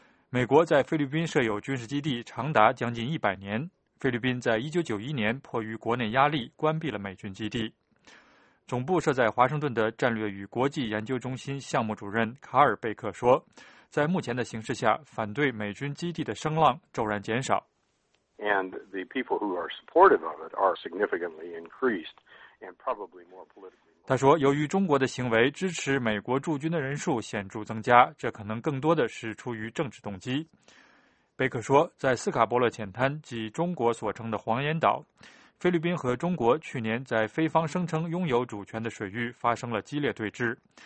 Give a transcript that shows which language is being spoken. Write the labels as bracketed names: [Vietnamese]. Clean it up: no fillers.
[Chinese] 美国在菲律宾设有军事基地长达将近100年，菲律宾在1991年迫于国内压力关闭了美军基地。总部设在华盛顿的战略与国际研究中心项目主任卡尔贝克说，在目前的形势下，反对美军基地的声浪骤然减少。 [English] And the people who are supportive of it are significantly increased, and probably more politically. [Chinese] 他说，由于中国的行为，支持美国驻军的人数显著增加，这可能更多的是出于政治动机。贝克说，在斯卡伯勒浅滩及中国所称的黄岩岛，菲律宾和中国去年在菲方声称拥有主权的水域发生了激烈对峙。